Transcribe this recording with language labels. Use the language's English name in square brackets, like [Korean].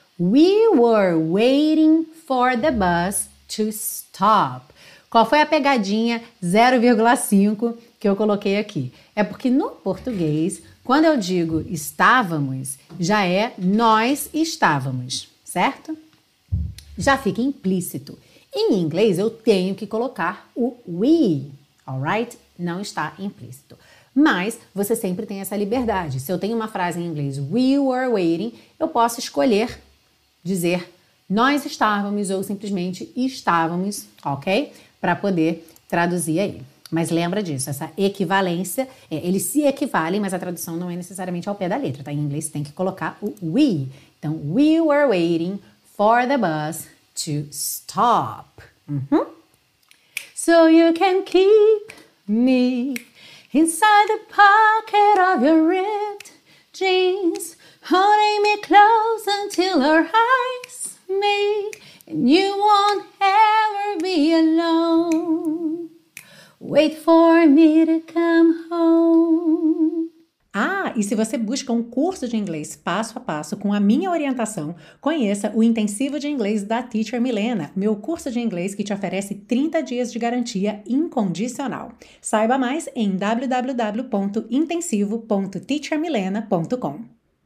[English] We were waiting for the bus to stop. [Portuguese] Qual foi a pegadinha 0,5 que eu coloquei aqui? É porque no português, quando eu digo estávamos, já é nós estávamos, certo? Já fica implícito. Em inglês, eu tenho que colocar o we, alright? Não está implícito. Mas você sempre tem essa liberdade. Se eu tenho uma frase em inglês, [English] we were waiting, [Portuguese] eu posso escolher dizer nós estávamos ou simplesmente estávamos, ok? Para poder traduzir aí. Mas lembra disso, essa equivalência, eles se equivalem, mas a tradução não é necessariamente ao pé da letra, tá? Em inglês tem que colocar o we. [English] Então, we were waiting for the bus to stop. Uhum. So you can keep me inside the pocket of your ripped jeans, holding me close until our eyes meet, and you won't ever be alone. Wait for me to come home. [Portuguese] Ah, e se você busca um curso de inglês passo a passo com a minha orientação, conheça o Intensivo de Inglês da Teacher Milena, meu curso de inglês que te oferece 30 dias de garantia incondicional. Saiba mais em www.intensivo.teachermilena.com.